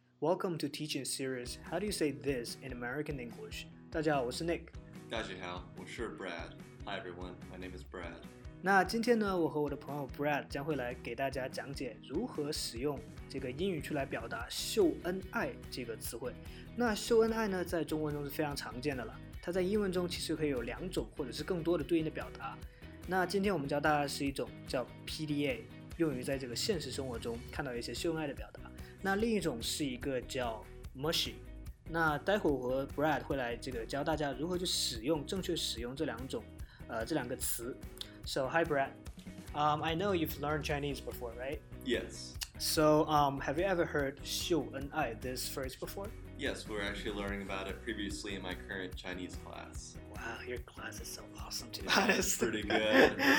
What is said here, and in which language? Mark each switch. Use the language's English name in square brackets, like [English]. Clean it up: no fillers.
[English] Welcome to teaching series, How do you say this in American English? [Chinese] 大家好，我是 Nick。大家好，我是 [English] Brad。Hi everyone, my name is Brad. [Chinese] 那今天呢，我和我的朋友 Brad 将会来给大家讲解如何使用这个英语去来表达秀恩爱这个词汇。那秀恩爱呢，在中文中是非常常见的了。它在英文中其实可以有两种或者是更多的对应的表达。那今天我们教大家是一种叫 PDA，用于在这个现实生活中看到一些秀恩爱的表达。那另一种是一个叫 mushy。那待会我和 Brad 会来这个教大家如何去使用，正确使用这两种这两个词。 [English] So hi Brad, I know you've learned Chinese before, right? Yes. So have you ever heard 秀恩爱 this phrase before? Yes, we were actually learning about it previously in my current Chinese class. Wow, your class is so awesome, to be honest. It's pretty good.